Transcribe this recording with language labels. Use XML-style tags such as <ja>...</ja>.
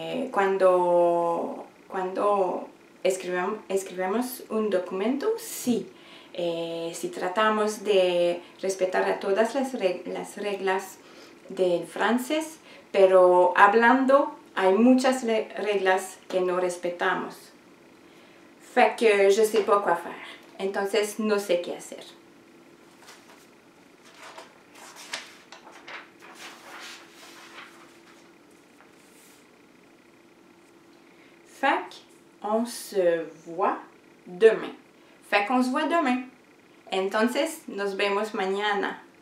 <es>Cuando escribimos un documento, sí. Si tratamos de respetar a todas las reglas del francés, pero hablando, hay muchas reglas que no respetamos.</es> <fr>Fait que je sais pas quoi faire.</fr> <es>Entonces, no sé qué hacer.</es> <fr>Fait qu'on se voit demain. Fait qu'on se voit demain.</fr> <es>Entonces, nos vemos mañana.</es>